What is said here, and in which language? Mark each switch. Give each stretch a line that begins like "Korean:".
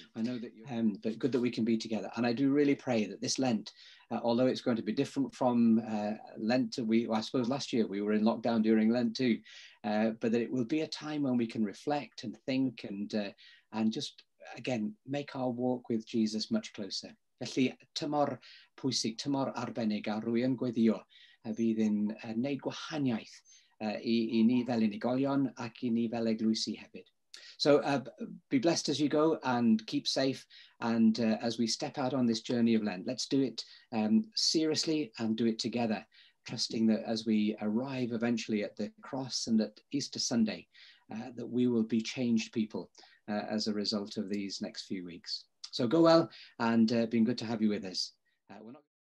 English: I know that you're but good that we can be together. And I do really pray that this Lent, although it's going to be different from Lent, I suppose last year we were in lockdown during Lent too, but that it will be a time when we can reflect and think and just, again, make our walk with Jesus much closer.
Welsh: Felly tymor pwysig, tymor arbennig a rwy yn gweddio a fydd yn wneud gwahaniaeth i ni fel unigolion ac i ni fel eglwysi hefyd.
English: So be blessed as you go and keep safe. And as we step out on this journey of Lent, let's do it seriously and do it together, trusting that as we arrive eventually at the cross and at Easter Sunday, that we will be changed people as a result of these next few weeks. So go well, and been good to have you with us. We're not